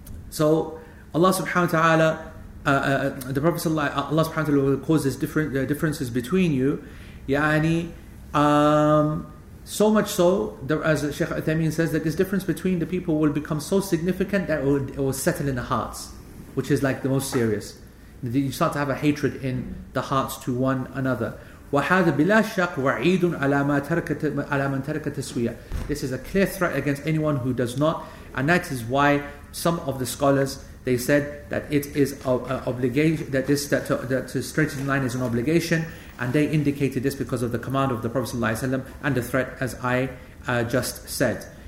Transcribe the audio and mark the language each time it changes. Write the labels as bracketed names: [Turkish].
[English] So Allah subhanahu wa ta'ala, the Prophet sallallahu alaihi, Allah subhanahu wa ta'ala will cause this differences between you. Yani, so much so, as Sheikh Uthaymeen says, that this difference between the people will become so significant that it will settle in the hearts, which is like the most serious. You start to have a hatred in the hearts to one another. [Arabic] وهذا بلا شك وعيد على من ترك تسوية. [English] This is a clear threat against anyone who does not, and that is why some of the scholars, they said that it is an obligation, that to straighten the line is an obligation, and they indicated this because of the command of the Prophet sallallahu alaihi wasallam and the threat, as I just said.